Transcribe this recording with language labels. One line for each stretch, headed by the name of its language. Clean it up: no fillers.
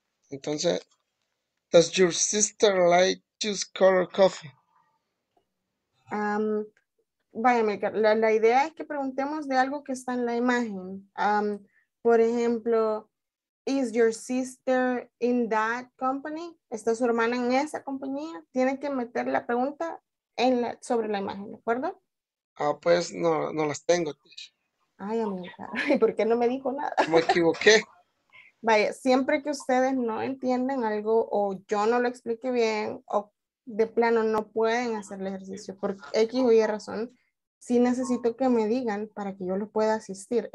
English: Entonces, does your sister like to color coffee?
Spanish: Vaya, Amilcar, la idea es que preguntemos de algo que está en la imagen. Por ejemplo,
English: is your sister in that company?
Spanish: ¿Está su hermana en esa compañía? Tiene que meter la pregunta en la, sobre la imagen, ¿de acuerdo? Ah, pues no las tengo. Ay, amiga. Ay, ¿por qué no me dijo nada? Me equivoqué. Vaya, siempre que ustedes no entienden algo o yo no lo explique bien o de plano no pueden hacer el ejercicio por X o Y razón, sí necesito que me digan para que yo los pueda asistir.